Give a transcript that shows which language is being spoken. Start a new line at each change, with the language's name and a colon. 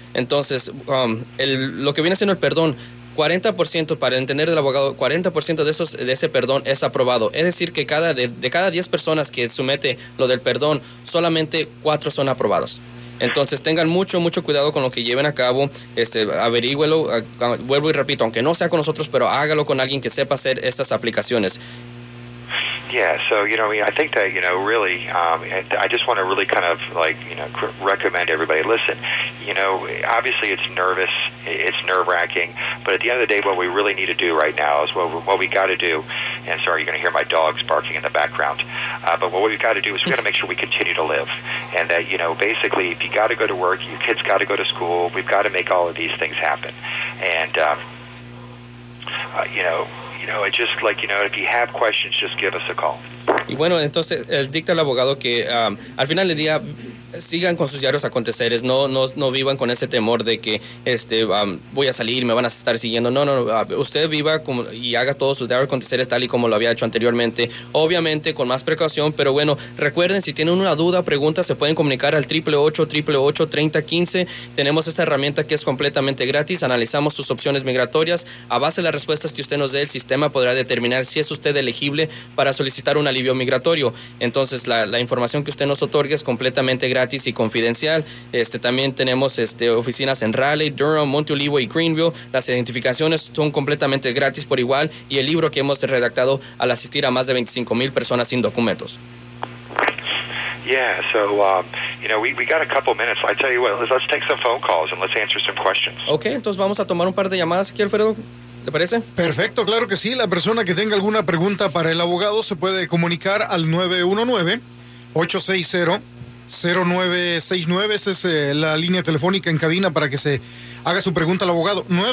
Spanish: Entonces, lo que viene siendo el perdón, 40%, para entender del abogado, 40% de ese perdón es aprobado. Es decir, que de cada 10 personas que somete lo del perdón, solamente 4 son aprobados. Entonces, tengan mucho, mucho cuidado con lo que lleven a cabo. Averígüelo, vuelvo y repito, aunque no sea con nosotros, pero hágalo con alguien que sepa hacer estas aplicaciones.
English: Yeah, so, you know, I think that, you know, really, I just want to really kind of, like, you know, recommend everybody, listen, you know, obviously it's nervous, it's nerve-wracking, but at the end of the day, what we really need to do right now is what we got to do, and sorry, you're going to hear my dogs barking in the background, but what we've got to do is we got to make sure we continue to live, and that, you know, basically, if you got to go to work, your kids got to go to school, we've got to make all of these things happen, and, you know, it's just like, you know, if you have questions, just give us a call.
Spanish: Y bueno, entonces, dicta el abogado que al final del día sigan con sus diarios aconteceres, no vivan con ese temor de que voy a salir, me van a estar siguiendo. No, usted viva como, y haga todos sus diarios aconteceres tal y como lo había hecho anteriormente, obviamente con más precaución, pero bueno, recuerden, si tienen una duda, pregunta, se pueden comunicar al 888-888-3015. Tenemos esta herramienta que es completamente gratis, analizamos sus opciones migratorias, a base de las respuestas que usted nos dé, el sistema podrá determinar si es usted elegible para solicitar un alivio migratorio. Entonces, la información que usted nos otorgue es completamente gratis y confidencial. También tenemos oficinas en Raleigh, Durham, Monte Olivo y Greenville. Las identificaciones son completamente gratis por igual y el libro que hemos redactado al asistir a más de 25,000 personas sin documentos.
English: Yeah, so, you know, we got a couple minutes. I tell you what, let's take some phone calls and let's answer some questions.
Spanish: Okay, entonces vamos a tomar un par de llamadas aquí, Alfredo. ¿Le parece? Perfecto, claro que sí. La persona que tenga alguna pregunta para el abogado se puede comunicar al 919-860-0969, esa es la línea telefónica en cabina para que se haga su pregunta al abogado.